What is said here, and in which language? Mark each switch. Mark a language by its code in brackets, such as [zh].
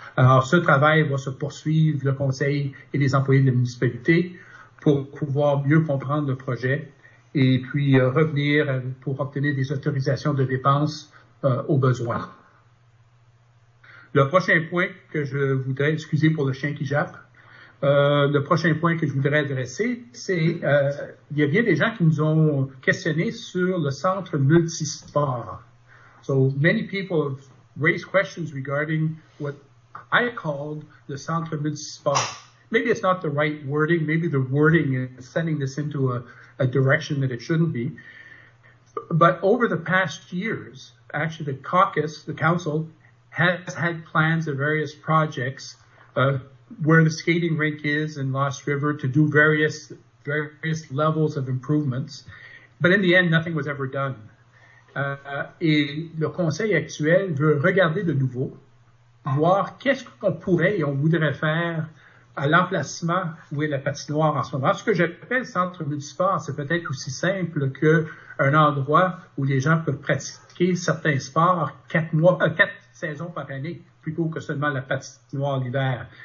[fr] Alors, ce travail va se poursuivre, le conseil et les employés de la municipalité, pour pouvoir mieux comprendre le projet et puis revenir pour obtenir des autorisations de dépenses au besoin. Le prochain point que je voudrais, excusez pour le chien qui jappe, le prochain point que je voudrais adresser, c'est il y a bien des gens qui nous ont questionné sur le centre multisport. [en] So many people have raised questions regarding what I called the centre multisport. Maybe it's not the right wording. Maybe the wording is sending this into a direction that it shouldn't be. But over the past years, actually the caucus, the council, has had plans of various projects where the skating rink is in Lost River to do various levels of improvements. But in the end, nothing was ever done. [fr] Et le conseil actuel veut regarder de nouveau, voir qu'est-ce qu'on pourrait et on voudrait faire à l'emplacement où est la patinoire en ce moment. Ce que j'appelle centre multisport, c'est peut-être aussi simple qu'un endroit où les gens peuvent pratiquer certains sports quatre saisons par année, plutôt que seulement la patinoire l'hiver.